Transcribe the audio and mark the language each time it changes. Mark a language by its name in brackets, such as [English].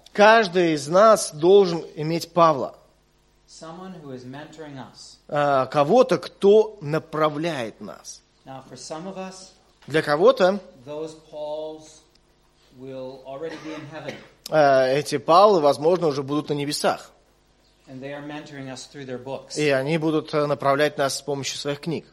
[Russian] Каждый из нас должен иметь Павла. [English] Someone who is mentoring us. [Russian] Кого-то, кто направляет нас. [English] Now, for some of us, [Russian] для кого-то [English] those Pauls will already be in heaven. [Russian] Эти Павлы, возможно, уже будут на небесах. [English] And they are mentoring us through their books. [Russian] И они будут направлять нас с помощью своих книг.